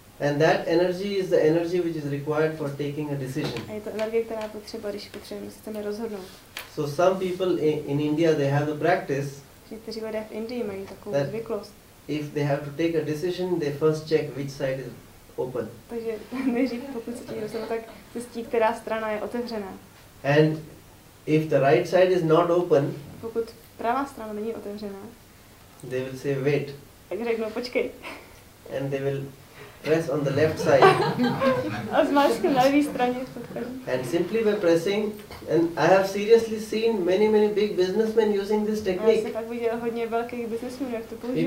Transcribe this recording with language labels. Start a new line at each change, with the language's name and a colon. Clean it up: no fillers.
English: And that energy is the energy which is required for taking a decision.
Czech: A je to energie, která potřeba, když potřebujeme se chceme rozhodnout.
English: So some people in India, they have the practice.
Czech: Někteří lidé v Indii mají takovou
English: that
Czech: zvyklost.
English: If they have to take a decision, they first check which side is open.
Czech: Takže nejdřív, pokud se chtějí rozhodnout, tak zjistí, která strana je otevřená.
English: And if the right side is not open,
Czech: pokud pravá strana není otevřená,
English: they will say wait.
Czech: Tak řeknou počkej.
English: And they will press on the left side.
Czech: A zmáčknu na levé straně.
English: And simply by pressing, and I have seriously seen many, many big businessmen using this technique.
Czech: Já jsem tak viděl hodně velkých businessmenů, jak to používají.